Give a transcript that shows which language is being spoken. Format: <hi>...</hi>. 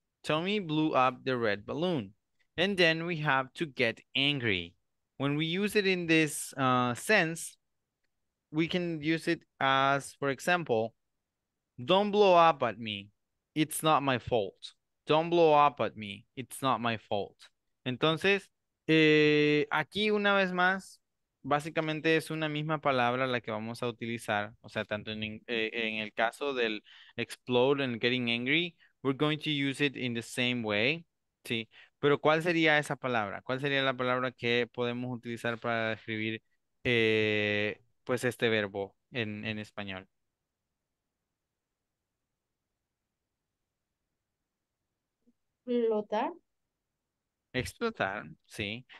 <en>Tommy blew up the red balloon. And then we have to get angry. When we use it in this sense, we can use it as, for example, don't blow up at me. It's not my fault. Don't blow up at me. It's not my fault.</en> <es>Entonces, aquí una vez más, básicamente es una misma palabra la que vamos a utilizar. O sea, tanto en el caso del</es> <en>explode and getting angry, we're going to use it in the same way.</en> <es>Sí. Pero ¿cuál sería esa palabra? ¿Cuál sería la palabra que podemos utilizar para describir pues este verbo en español? Explotar. Explotar, sí.</es>